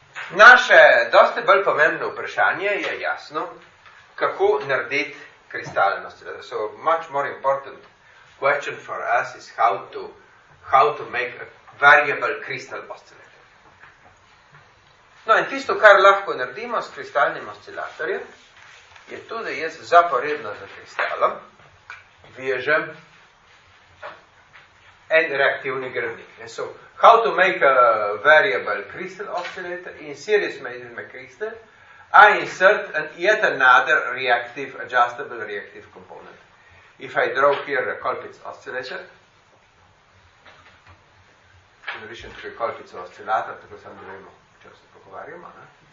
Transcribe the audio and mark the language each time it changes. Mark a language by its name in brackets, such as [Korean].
[Slovenian] Naše dosti bolj pomembno vprašanje je jasno, kako narediti kristalnost. [English] So much more important question for us is how to make a variable crystal oscillator. [Slovenian] No, in tisto, kar lahko naredimo s kristalnim oscilatorjem, je tudi jaz zaporedno za kristalom vežem en reaktivni gradnik. [English] So, how to make a variable crystal oscillator? In series made my crystal, I insert yet another reactive, adjustable reactive component. If I draw here a Colpitz oscillator, in addition to the Colpitz oscillator, [Slovenian] tako sam da vemo, če se pogovarjamo. Ne?